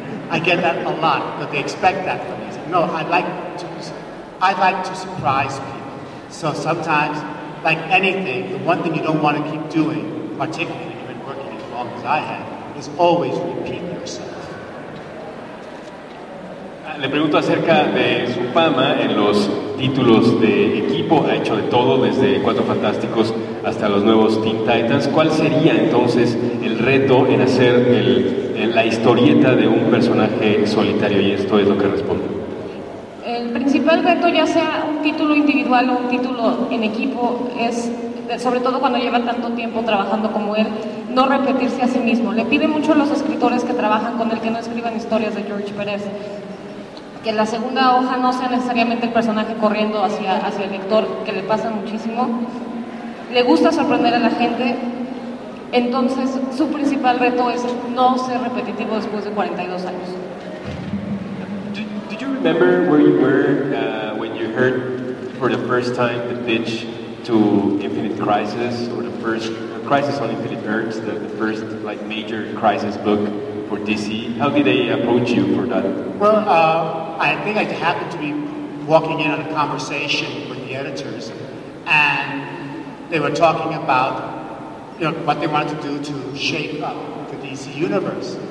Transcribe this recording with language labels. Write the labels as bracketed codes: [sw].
[en] I get that a lot, but they expect that from me. No, I'd like to surprise people. So sometimes, like anything, the one thing you don't want to keep doing, particularly if you've been working as long as I have, is always repeat yourself. [es] Le pregunto acerca de su fama en los títulos de equipo. Ha hecho de todo, desde Cuatro Fantásticos hasta los nuevos Teen Titans. ¿Cuál sería entonces el reto en hacer la historieta de un personaje solitario? Y esto es lo que respondo. El principal reto, ya sea un título individual o un título en equipo, es, sobre todo cuando lleva tanto tiempo trabajando como él, no repetirse a sí mismo. Le pide mucho a los escritores que trabajan con él que no escriban historias de George Perez, que la segunda hoja no sea necesariamente el personaje corriendo hacia el lector, que le pasa muchísimo. Le gusta sorprender a la gente, entonces su principal reto es no ser repetitivo después de 42 años. [en] Did you remember where you were when you heard for the first time the pitch to Infinite Crisis, or the first Crisis on Infinite Earths, the first like major Crisis book for DC? How did they approach you for that? Well, I think I happened to be walking in on a conversation with the editors, and they were talking about, you know, what they wanted to do to shake up the DC universe.